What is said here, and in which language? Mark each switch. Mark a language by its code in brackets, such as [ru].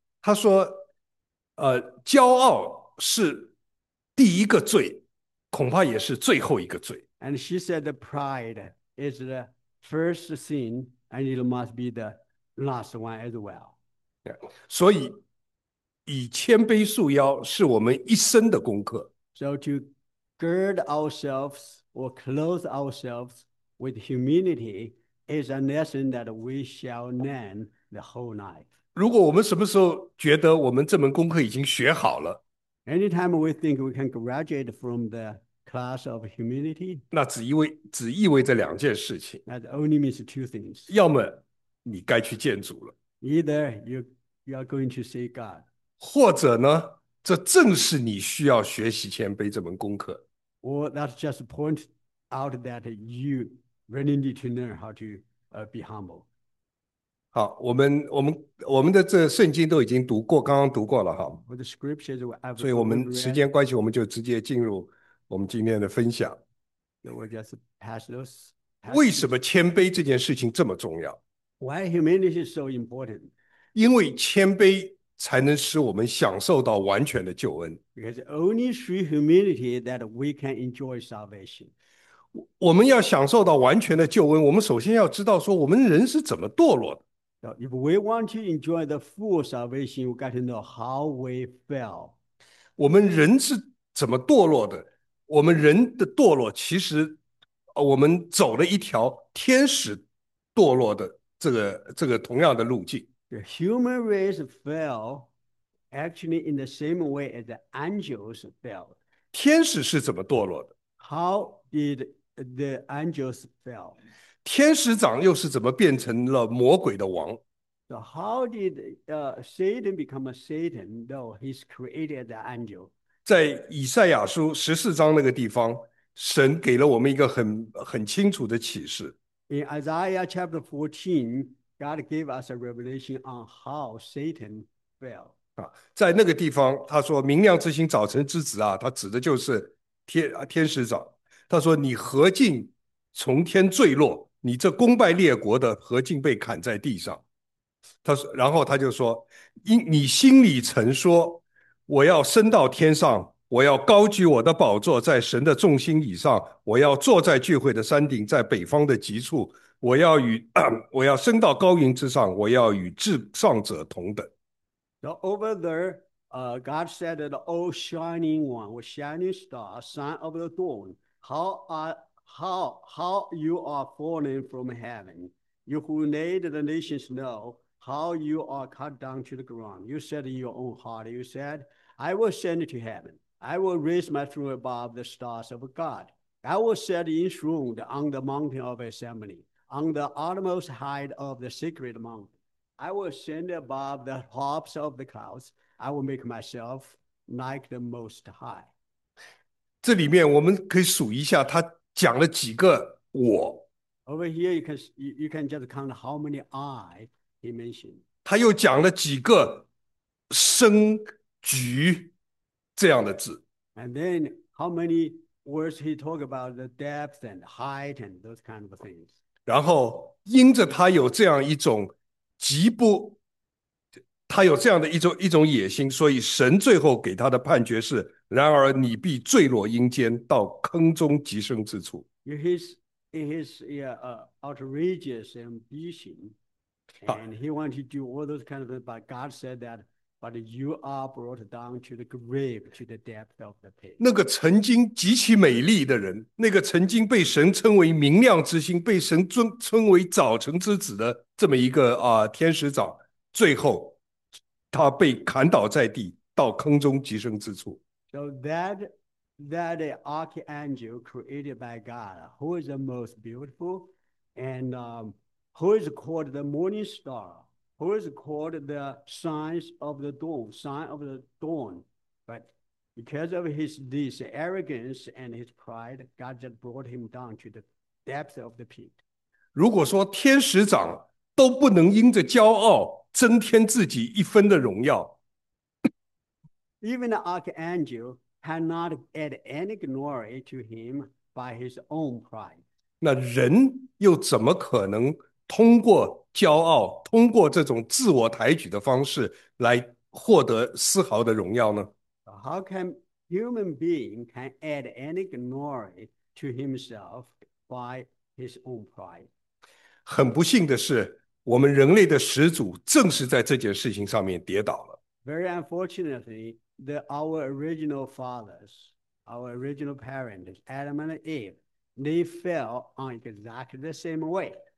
[zh] 他说：“骄傲是第一个罪，恐怕也是最后一个罪。 [en] And she said the pride is the first sin, and it must be the last one as well. [zh] ”所以，以谦卑束腰是我们一生的功课。 [en] So to gird ourselves or clothe ourselves. With humility is a lesson that we shall learn the whole life. [zh] 如果我们什么时候觉得我们这门功课已经学好了， [en] Anytime we think we can graduate from the class of humility, [zh] 那只意味着两件事情： [en] that only means two things. [zh] 要么你该去见主了， [en] Either you are going to see God, [zh] 或者呢，这正是你需要学习谦卑这门功课。 [en] or that's just point out that you. Really need to learn how to be humble. [zh] 好，我们的这圣经都已经读过，刚刚读过了哈， [en] For the scriptures [zh] 所以我们时 [en] read, [zh] 间关系，我们就直接进入我们今天的分享。 [en] we'll just pass those [zh] 为什 [en] passages. [zh] 么谦卑这件事情这么重要？ [en] Why humanity is so important? [zh] 因为谦卑才能使我们享受到完全的救恩。 [en] Because only through humility that we can enjoy salvation. [zh] 我们要享受到完全的救恩，我们首先要知道说我们人是怎么堕落的。 [en] If we want to enjoy the full salvation, we got to know how we fell. [zh] 我们人是怎么堕落的？我们人的堕落，其实，我们走了一条天使堕落的这个同样的路径。 [en] The human race fell actually in the same way as the angels fell. [zh] 天使是怎么堕落的？ [en] How did the angels fell? [zh] 天使长又是怎么变成了魔鬼的王？ [en] So how did Satan become a Satan, though he's created the angel? [zh] 在以赛亚书14章那个地方，神给了我们一个很清楚的启示。 [en] In Isaiah chapter 14, God gave us a revelation on how Satan fell. [zh] 在那个地方，他说：“明亮之星，早晨之子啊，他指的就是天使长。他说：‘你何竟从天坠落？你这功败列国的，何竟被砍在地上？’ 他说，然后他就说：‘你心里曾说。’” 我要升到天上，我要高举我的宝座在神的众星以上，我要坐在聚会的山顶，在北方的极处，我要升到高云之上，我要与至上者同等。 [en] So over there, God said that the old shining one with shining star, sign of the dawn, how you are fallen from heaven. You who made the nations know how you are cut down to the ground. You said in your own heart, you said, I will ascend to heaven. I will raise my throne above the stars of God. I will sit enthroned on the mountain of assembly, on the uttermost height of the sacred mountain. I will ascend above the tops of the clouds. I will make myself like the Most High. [zh] 这里面我们可以数一下，他讲了几个我。 [en] Over here, you can just count how many I he mentioned. [zh] 他又讲了几个生局这样的字。 [en] And then, how many words he talk about the depth and height and those kind of things. [zh] 然后因着他有这样一种极不，他有这样的一种野心，所以神最后给他的判决是。然而，你必坠落阴间，到坑中极深之处。 [en] In his outrageous ambition, and he wanted to do all those kind of things, but God said that, but you are brought down to the grave, to the depth of the pit. [zh] 那个曾经极其美丽的人，那个曾经被神称为明亮之星，被神称为早晨之子的这么一个天使长，最后他被砍倒在地，到坑中极深之处。 [en] So that archangel created by God, who is the most beautiful, and who is called the morning star, who is called the sign of the dawn. But because of this arrogance and his pride, God just brought him down to the depth of the pit. [zh] 如果说天使长都不能因着骄傲增添自己一分的荣耀， [en] Even the archangel had not added any glory to him by his own pride. [zh] 那人又怎么可能通过骄傲、通过这种自我抬举的方式来获得丝毫的荣耀呢？ [en] So how can human being can add any glory to himself by his own pride? [zh] 很不幸的是，我们人类的始祖正是在这件事情上面跌倒了。 [en] Very unfortunately, our original fathers, our original parents, Adam and Eve, they fell on exactly the same way.